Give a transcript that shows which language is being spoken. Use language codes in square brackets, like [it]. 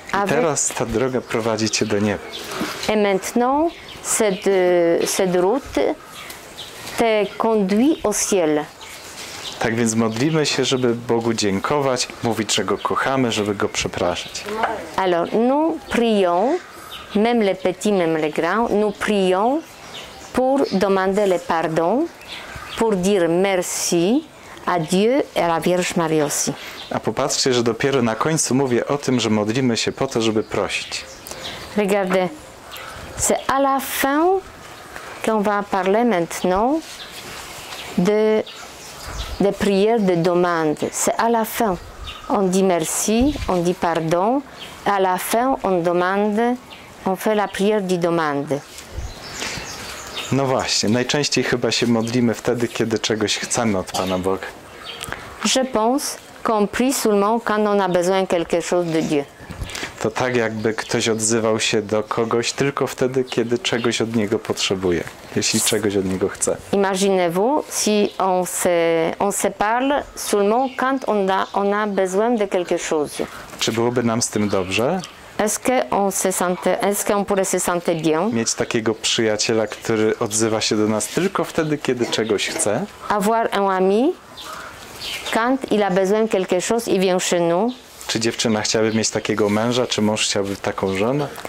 [pl] Teraz ta droga prowadzi cię do nieba. [fr] Et maintenant, cette route te conduit au ciel. [pl] Tak więc modlimy się, żeby Bogu dziękować, mówić, że Go kochamy, żeby Go przepraszać. [fr] Alors, nous prions, même les petits, même les grands, nous prions pour demander le pardon, pour dire merci à Dieu et à la Vierge Marie aussi. [pl] A popatrzcie, że dopiero na końcu mówię o tym, że modlimy się po to, żeby prosić. [fr] Regardez, c'est à la fin qu'on va parler maintenant de des prières, des demandes. C'est à la fin. On dit merci, on dit pardon. À la fin, on demande, on fait la prière de demande. [pl] No właśnie, najczęściej chyba się modlimy wtedy, kiedy czegoś chcemy od Pana Boga. [fr] Je pense qu'on prie seulement quand on a besoin quelque chose de Dieu. [pl] To tak jakby ktoś odzywał się do kogoś tylko wtedy, kiedy czegoś od niego potrzebuje, jeśli czegoś od niego chce. [fr] Imaginez-vous si on se parle seulement quand on a besoin de quelque chose. [pl] Czy byłoby nam z tym dobrze? [fr] Est-ce qu'on pourrait se sentir bien? [pl] Mieć takiego przyjaciela, który odzywa się do nas tylko wtedy, kiedy czegoś chce. [fr] Avoir un ami quand il a besoin quelque chose et vient chez nous. [pl] Czy dziewczyna chciałaby mieć takiego męża, czy mąż chciałby taką żonę?